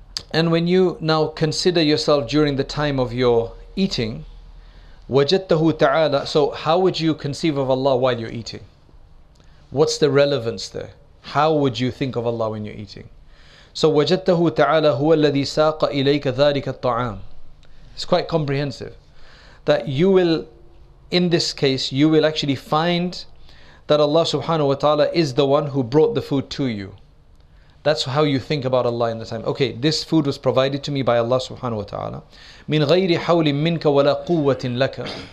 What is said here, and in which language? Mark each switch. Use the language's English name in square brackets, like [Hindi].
[English] And when you now consider yourself during the time of your eating, [Arabic] وَجَدْتَهُ تَعَالَى. [English] So how would you conceive of Allah while you're eating? What's the relevance there? How would you think of Allah when you're eating? So [Arabic] وجدته تعالى هو الذي ساق إليك ذلك الطعام. [English] It's quite comprehensive. That you will, in this case, you will actually find that Allah subhanahu wa ta'ala is the one who brought the food to you. That's how you think about Allah in the time. Okay, this food was provided to me by Allah subhanahu wa ta'ala. [Arabic] مِنْ غَيْرِ حَوْلٍ مِنْكَ وَلَا قُوَّةٍ لَكَ.